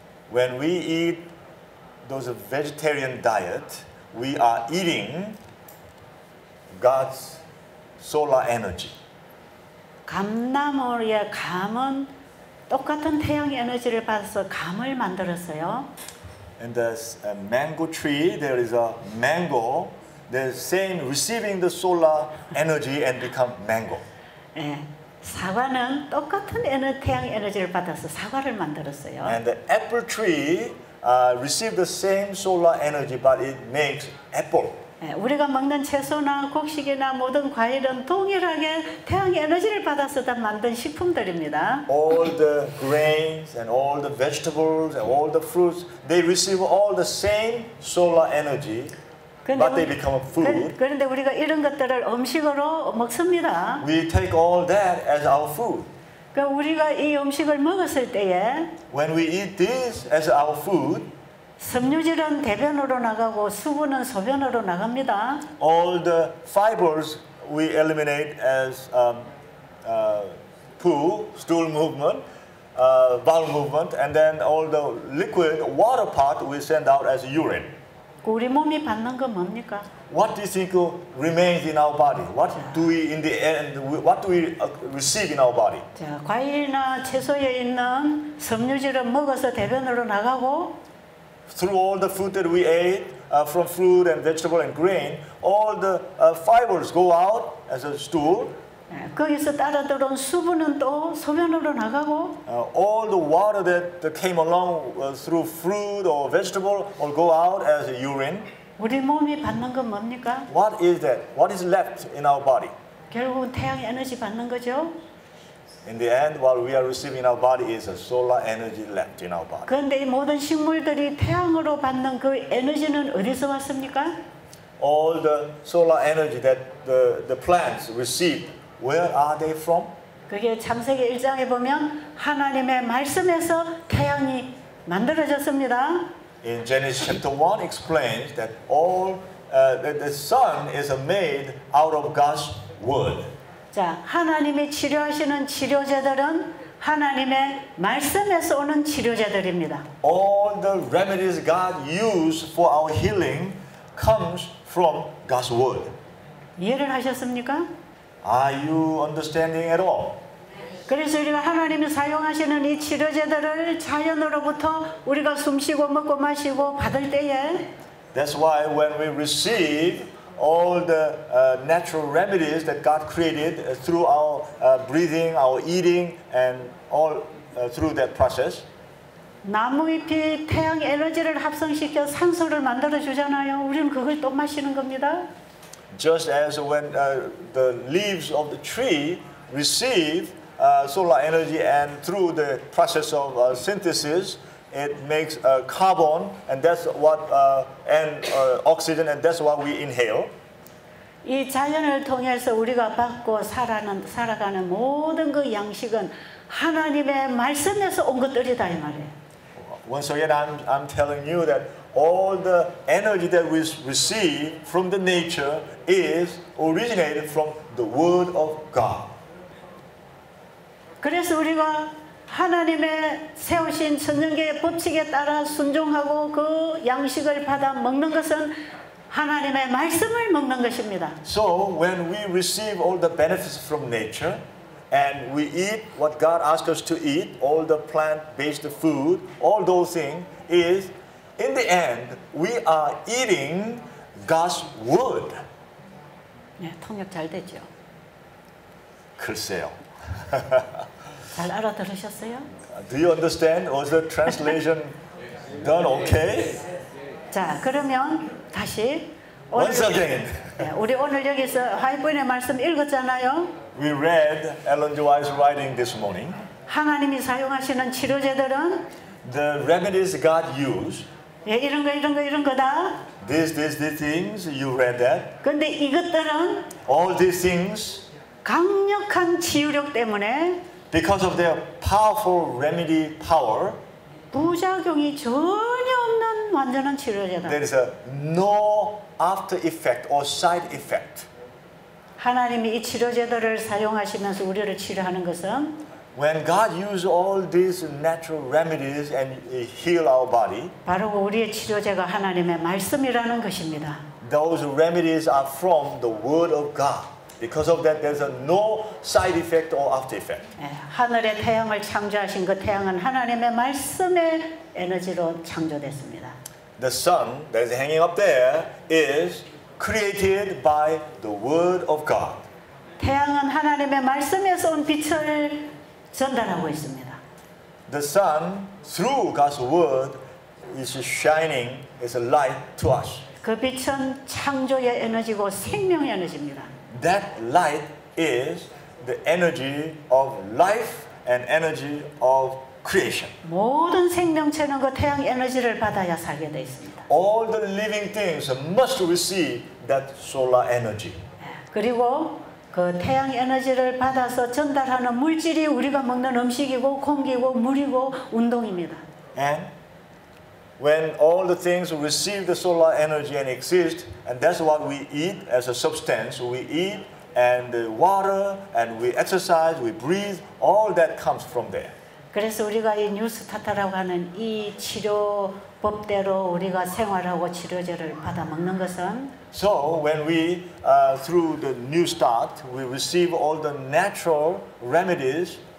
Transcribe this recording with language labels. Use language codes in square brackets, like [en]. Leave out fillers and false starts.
[en] When we eat those vegetarian diet, we are eating God's solar energy. [ko] 감나무의 감은 똑같은 태양 에너지를 받아서 감을 만들었어요. [en] And the mango tree, there is a mango. The same receiving the solar energy and become mango. [ko] 예, 사과는 똑같은 태양 에너지를 받아서 사과를 만들었어요. [en] And the apple tree received the same solar energy, but it makes apple. [ko] 예, 우리가 먹는 채소나 곡식이나 모든 과일은 동일하게 태양 에너지를 받아서 다 만든 식품들입니다. [en] All the grains and all the vegetables and all the fruits, they receive all the same solar energy. But they become a food. [ko] 그런데 우리가 이런 것들을 음식으로 먹습니다. [en] We take all that as our food. [ko] 그러니까 우리가 이 음식을 먹었을 때에 [en] When we eat this as our food, [ko] 섬유질은 대변으로 나가고 수분은 소변으로 나갑니다. [en] All the fibers we eliminate as poo, stool movement, bowel movement, and then all the liquid water part we send out as urine. [ko] 우리 몸이 받는 건 뭡니까? [en] What do you think remains in our body? What do we in the end? What do we receive in our body? [ko] 자, 과일이나 채소에 있는 섬유질은 먹어서 대변으로 나가고. [en] Through all the food that we ate, from fruit and vegetable and grain, all the fibers go out as a stool. [ko] 거기서 따라 들어온 수분은 또 소변으로 나가고. [en] All the water that came along through fruit or vegetable will go out as urine. [ko] 우리 몸이 받는 건 뭡니까? [en] What is that? What is left in our body? [ko] 결국은 태양 에너지 받는 거죠. [en] In the end, what we are receiving in our body is a solar energy left in our body. [ko] 그런데 이 모든 식물들이 태양으로 받는 그 에너지는 어디서 왔습니까? [en] All the solar energy that the plants receive. Where are they from? [ko] 그게 창세기 1장에 보면 하나님의 말씀에서 태양이 만들어졌습니다. [en] In Genesis chapter 1 explains that all that the sun is made out of God's word. [ko] 자, 하나님이 치료하시는 치료제들은 하나님의 말씀에서 오는 치료제들입니다. [en] All the remedies God used for our healing comes from God's word. [ko] 이해를 하셨습니까? [en] Are you understanding at all? [ko] 그래서 우리가 하나님이 사용하시는 이 치료제들을 자연으로부터 우리가 숨쉬고 먹고 마시고 받을 때에 [en] That's why when we receive all the natural remedies that God created through our breathing, our eating, and all through that process [ko] 나무 잎이 태양 에너지를 합성시켜 산소를 만들어주잖아요. 우리는 그걸 또 마시는 겁니다. [en] Just as when the leaves of the tree receive solar energy and through the process of synthesis, it makes carbon and that's what oxygen and that's what we inhale. [ko] 이 자연을 통해서 우리가 받고 살아가는 모든 그 양식은 하나님의 말씀에서 온 것들이다 이 말이에요. [en] Once again, I'm telling you that. All the energy that we receive from the nature is originated from the word of God. [ko] 그래서 우리가 하나님의 세우신 천년계의 법칙에 따라 순종하고 그 양식을 받아 먹는 것은 하나님의 말씀을 먹는 것입니다. [en] So when we receive all the benefits from nature and we eat what God asks us to eat, all the plant-based food, all those things is In the end, we are eating God's word. [ko] 네, 통역 잘 되죠? 글쎄요. 잘 알아들으셨어요? [en] Do you understand? Was the translation done okay? [ko] 자, 그러면 다시 [en] Once again. [ko] 우리 오늘 여기서 화이트의 말씀 읽었잖아요. [en] We read Ellen G. White's writing this morning. [ko] 하나님이 사용하시는 치료제들은 [en] The remedies God used. [ko] 예, 이런 거 이런 거 이런 거다. [en] These things you read that. [ko] 근데 이것들은 [en] All these things. [ko] 강력한 치유력 때문에 [en] Because of their powerful remedy power. [ko] 부작용이 전혀 없는 완전한 치료제다. [en] There is a no after effect or side effect. [ko] 하나님이 이 치료제들을 사용하시면서 우리를 치료하는 것은 [en] When God uses all these natural remedies and heal our body, [ko] 바로 우리의 치료제가 하나님의 말씀이라는 것입니다. [en] Those remedies are from the Word of God. Because of that, there's a no side effect or after effect. [ko] 하늘의 태양을 창조하신 그 태양은 하나님의 말씀의 에너지로 창조됐습니다. [en] The sun that is hanging up there is created by the Word of God. [ko] 태양은 하나님의 말씀에서 온 빛을 전달하고 있습니다. [en] The sun, through God's word, is shining as a light to us. [ko] 그 빛은 창조의 에너지고 생명의 에너지입니다. [en] That light is the energy of life and energy of creation. [ko] 모든 생명체는 그 태양 에너지를 받아야 살게 돼 있습니다. [en] All the living things must receive that solar energy. [ko] 그리고 그 태양 에너지를 받아서 전달하는 물질이 우리가 먹는 음식이고 공기고 물이고 운동입니다. [en] And when all the things receive the solar energy and exist, and that's what we eat as a substance, we eat and the water and we exercise, we breathe, all that comes from there. [ko] 그래서 우리가 이 뉴스타트라고 하는 이 치료법대로 우리가 생활하고 치료제를 받아 먹는 것은 [en] So when we through the new start we receive all the natural remedies